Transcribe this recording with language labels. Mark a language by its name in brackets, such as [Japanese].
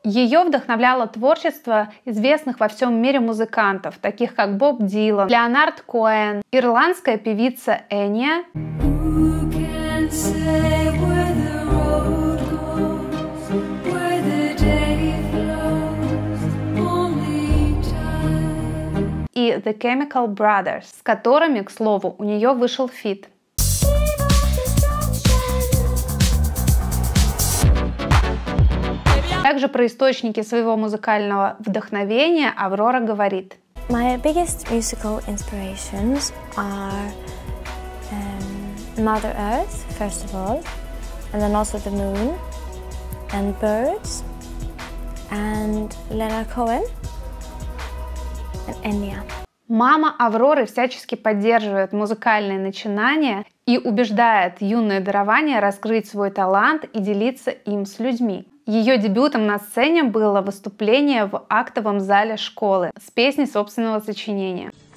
[Russian] Ее вдохновляло творчество известных во всем мире музыкантов, таких как Боб Дилан, Леонард Коэн, ирландская певица Эния, и The Chemical Brothers, с которыми, к слову, у нее вышел фит. Также про источники своего музыкального вдохновения Аврора говорит. [English] My biggest musical inspirations are Mother Earth, first of all, and then also the moon, and birds, and Leonard Cohen, and Enya. [Russian] Мама Авроры всячески поддерживает музыкальные начинания и убеждает юное дарование раскрыть свой талант и делиться им с людьми. Ее дебютом на сцене было выступление в актовом зале школы с песней собственного сочинения.